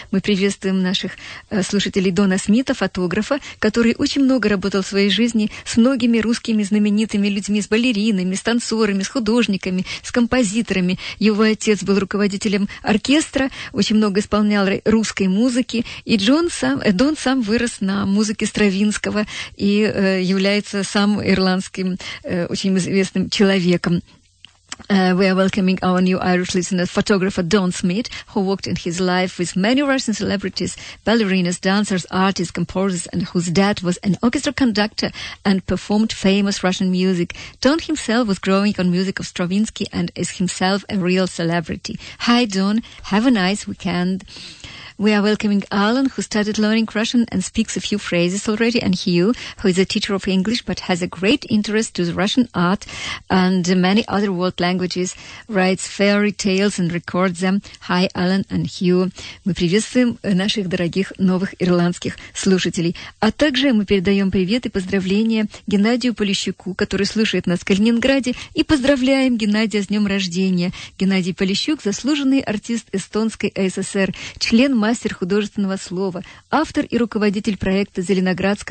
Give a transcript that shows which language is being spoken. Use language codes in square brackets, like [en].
[ru] Мы приветствуем наших слушателей Дона Смита, фотографа, который очень много работал в своей жизни с многими русскими знаменитыми людьми, с балеринами, с танцорами, с художниками, с композиторами. Его отец был руководителем оркестра, очень много исполнял русской музыки. И Дон сам вырос на музыке Стравинского и является сам ирландским очень известным человеком. [en] We are welcoming our new Irish listener, photographer Don Smith, who worked in his life with many Russian celebrities, ballerinas, dancers, artists, composers, and whose dad was an orchestra conductor and performed famous Russian music. Don himself was growing on music of Stravinsky and is himself a real celebrity. Hi, Don. Have a nice weekend. We are welcoming Alan, who started learning Russian and speaks a few phrases already, and Hugh, who is a teacher of English but has a great interest to the Russian art and many other world languages, writes fairy tales and records them. Hi, Alan and Hugh. [ru] Мы приветствуем наших дорогих новых ирландских слушателей. А также мы передаем привет и поздравления Геннадию Полищуку, который слушает нас в Калининграде, и поздравляем Геннадия с днем рождения. Геннадий Полищук – заслуженный артист Эстонской ССР, член мастер художественного слова, автор и руководитель проекта «Зеленоградск.